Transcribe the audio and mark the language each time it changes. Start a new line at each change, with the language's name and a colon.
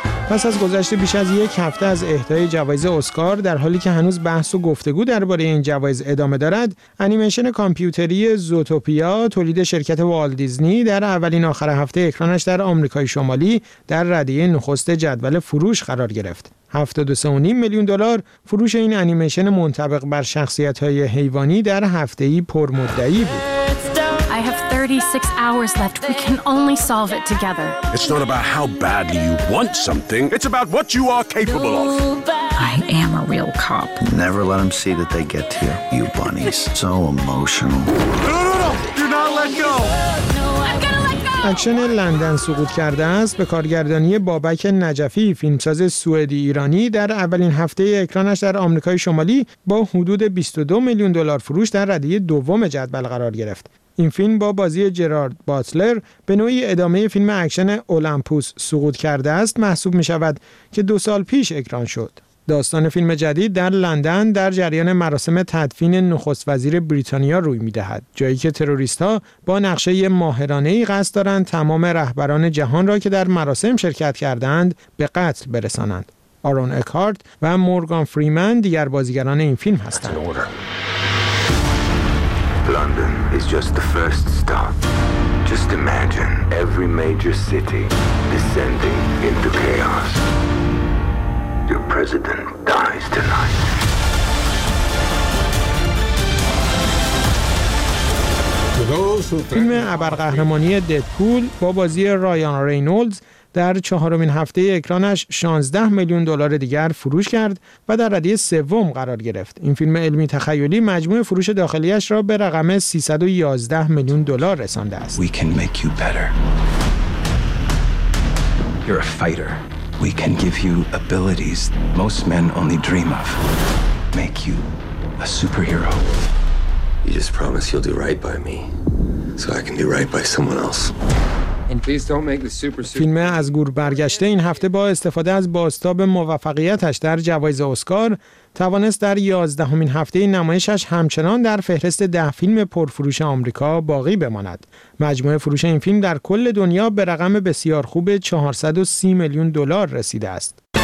Persian: پس از گذشت بیش از یک هفته از اهدای جوایز اسکار، در حالی که هنوز بحث و گفتگو درباره این جوایز ادامه دارد، انیمیشن کامپیوتری زوتوپیا تولید شرکت والت دیزنی در اولین آخر هفته اکرانش در آمریکای شمالی در ردیه نخست جدول فروش قرار گرفت. 73.5 میلیون دلار فروش این انیمیشن منطبق بر شخصیت‌های حیوانی در هفته‌ای پرمدعی بود.
English: 36 hours left. We can only solve it together. It's not about how badly you want something. It's about what you are capable of. I am a real cop. Never let them see that they get to you, you bunnies. So emotional. No, no, no, no. Do not let
Persian: اکشن لندن سقوط کرده است به کارگردانی بابک نجفی، فیلمساز سوئدی ایرانی، در اولین هفته اکرانش در آمریکای شمالی با حدود 22 میلیون دلار فروش در رده دوم جدول قرار گرفت. این فیلم با بازی جرارد باتلر به نوعی ادامه فیلم اکشن اولمپوس سقوط کرده است محسوب می شود که 2 سال پیش اکران شد. داستان فیلم جدید در لندن در جریان مراسم تدفین نخست وزیر بریتانیا روی می‌دهد، جایی که تروریست‌ها با نقشه ماهرانه‌ای قصد دارند تمام رهبران جهان را که در مراسم شرکت کردند به قتل برسانند. آرون اکهارت و مورگان فریمن دیگر بازیگران این فیلم هستند.
English: London is just the first stop. Just imagine every major city descending into chaos. Your president dies tonight.
Persian: فیلم ابرقهرمانی ددپول با بازی رایان رینولدز در 4 هفته اکرانش 16 میلیون دلار دیگر فروش کرد و در رده سوم قرار گرفت. این فیلم علمی تخیلی مجموع فروش داخلیش را به رقم 311 میلیون دلار رسانده است.
English: We can make you better. You're a fighter. We can give you abilities most men only dream of. Make you a superhero. You just promise you'll do right by me, so I can do right by someone else.
Persian: فیلم از گور برگشته این هفته با استفاده از بازتاب موفقیتش در جوایز اسکار توانست در 11 هفته نمایشش همچنان در فهرست 10 فیلم پرفروش آمریکا باقی بماند. مجموعه فروش این فیلم در کل دنیا به رقم بسیار خوب 430 میلیون دلار رسیده است.